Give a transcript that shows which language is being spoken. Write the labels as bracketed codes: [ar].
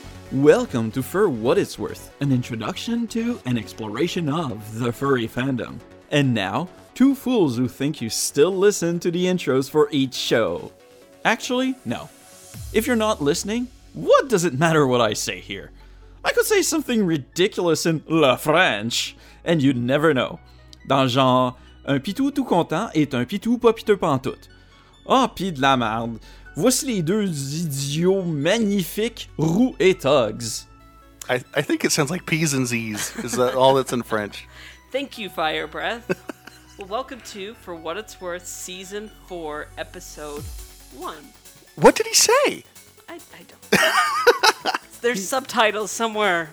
[en] Welcome to Fur What It's Worth, an introduction to and exploration of the furry fandom. And now, two fools who think you still listen to the intros for each show. Actually, no. If you're not listening, what does it matter what I say here? I could say something ridiculous in Le French, and you'd never know. [fr] Dans genre, un pitou tout content est un pitou pas piteux pantoute. Oh, pis de la merde. Voici les deux idiots magnifiques, Roux et Tugs. [en] I think it sounds like P's and Z's, is that all that's in French. Thank you, Fire Breath. Well, welcome to For What It's Worth, Season 4, Episode 1. What did he say? I don't know. There's subtitles somewhere.